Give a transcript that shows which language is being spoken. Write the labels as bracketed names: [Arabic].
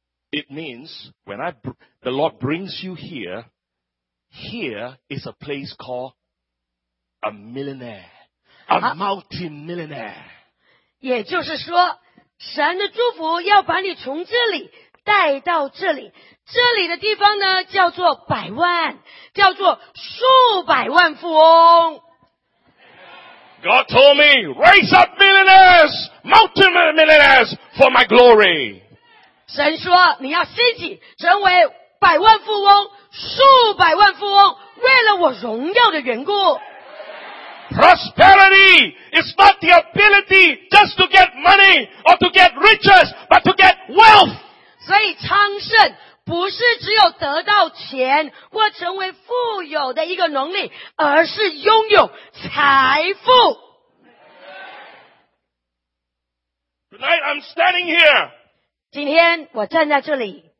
[English] It means when the Lord brings you here, here is a place called a millionaire, a multi-millionaire. [Chinese] 也就是说，神的祝福要把你从这里带到这里。这里的地方呢，叫做百万，叫做数百万富翁。 [English] God told me, raise up millionaires, multi-millionaires for my glory. [Chinese] 神说你要兴起成为百万富翁数百万富翁为了我荣耀的缘故。 [English] Prosperity is not the ability just to get money or to get riches, but to get wealth. [Chinese] 所以昌盛不是只有得到钱或成为富有的一个能力，而是拥有财富。 [English] Tonight I'm standing here. [Chinese] 今天我站在这里。